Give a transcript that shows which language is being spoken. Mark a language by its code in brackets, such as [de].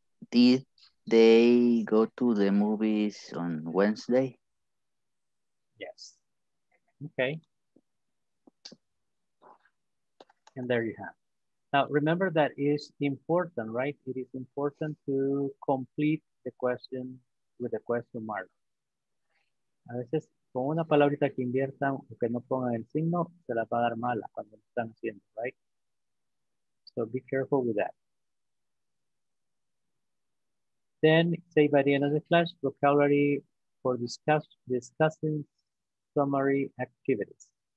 [en] Did they go to the movies on Wednesday? Yes. Okay. And there you have. Now, remember that is important, right? It is important to complete the question with a question mark. [es] A veces, con una palabrita que inviertan o que no pongan el signo, se la va a dar mala cuando lo están haciendo, right? [en] So be careful with that. Then say by the end of the class, vocabulary for discussing summary activities.